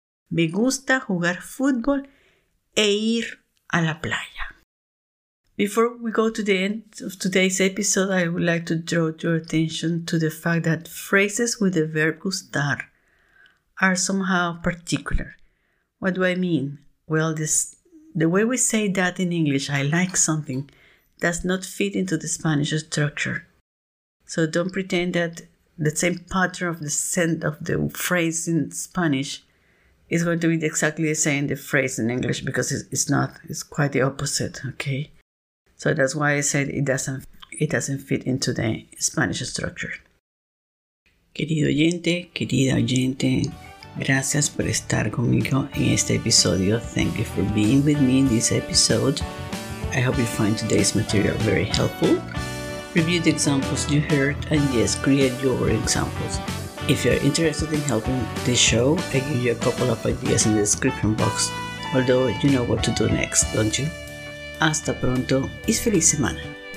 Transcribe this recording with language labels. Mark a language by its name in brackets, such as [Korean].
[Spanish] Me gusta jugar fútbol e ir a la playa. [English] Before we go to the end of today's episode, I would like to draw your attention to the fact that phrases with the verb gustar are somehow particular. What do I mean? Well, the way we say that in English, I like something, does not fit into the Spanish structure. So don't pretend that the same pattern of the scent of the phrase in Spanish is going to be exactly the same the phrase in English, because it's not. It's quite the opposite, okay? So that's why I said it doesn't fit into the Spanish structure. [Spanish] Querido oyente, querida oyente, gracias por estar conmigo en este episodio. [English] Thank you for being with me in this episode. I hope you find today's material very helpful. Review the examples you heard and yes, create your examples. If you're interested in helping this show, I give you a couple of ideas in the description box. Although you know what to do next, don't you? [Spanish] Hasta pronto y feliz semana.